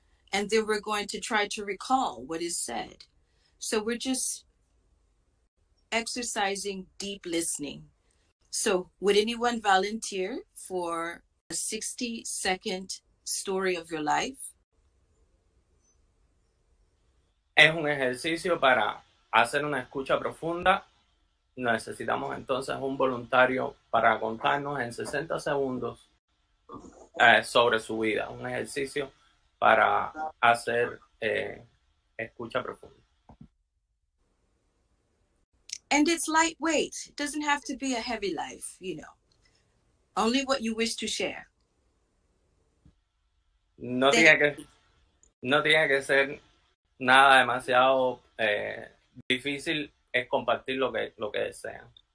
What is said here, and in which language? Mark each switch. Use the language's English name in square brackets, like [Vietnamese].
[English] And then we're going to try to recall what is said. So we're just exercising deep listening. So would anyone volunteer for a 60-second story of your life? [Spanish] Es un ejercicio para hacer una escucha profunda. Necesitamos entonces un voluntario para contarnos en 60 segundos sobre su vida. Un ejercicio para hacer escucha profunda. [English] And it's lightweight. It doesn't have to be a heavy life, you know. Only what you wish to share. [Spanish] No tiene que ser nada demasiado difícil, es compartir lo que desean.